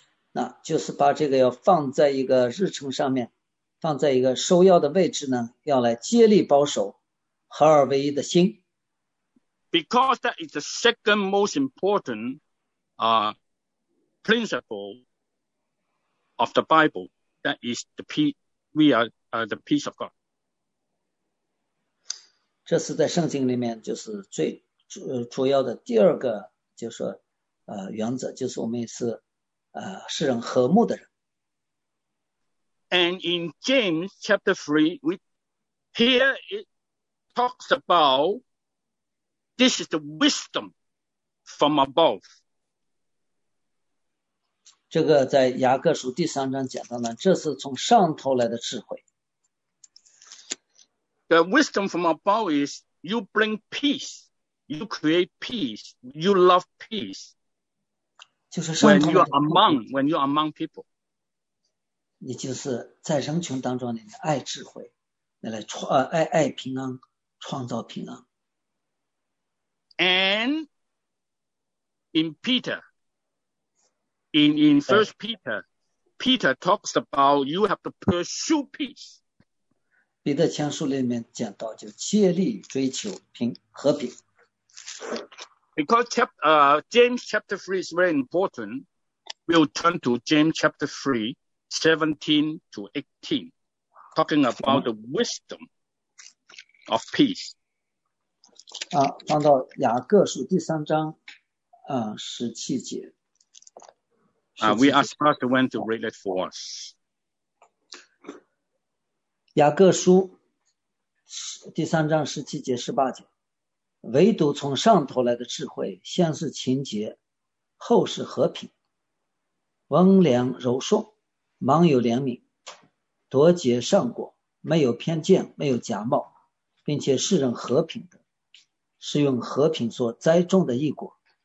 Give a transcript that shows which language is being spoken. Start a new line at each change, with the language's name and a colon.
Chinese: 那就是把这个要放在一个日程上面，放在一个首要的位置呢，要来竭力保守合二为一的心。
English: Because that is the second most important, principle of the Bible. That is the peace. We are, the peace of God.
Chinese: 这是在圣经里面就是最主要的第二个，就是原则，就是我们是世人和睦的人。
English: And in James chapter 3, we here it talks about this is the wisdom from above.
Chinese: 这个在雅各书第三章讲到呢，这是从上头来的智慧。
English: The wisdom from above is you bring peace, you create peace, you love peace.
Chinese: 就是上头的。
English: When you are among people.
Chinese: 你就是在人群当中，你爱智慧，你来爱平安，创造平安。
English: And in Peter, in First Peter, Peter talks about you have to pursue peace.
Chinese: 彼得前书里面讲到，就竭力追求平和平。
English: Because James chapter 3 is very important, we'll turn to James chapter 3, 17 to 18, talking about the wisdom of peace.
Chinese: 啊，翻到雅各书第三章，十七节。
English: We ask Pastor Wen to read it for us.
Chinese: 雅各书第三章十七节十八节，唯独从上头来的智慧，先是勤节，后是和平，温良柔顺，满有怜悯，夺节善果，没有偏见，没有假冒，并且是人和平的，是用和平所栽种的义果。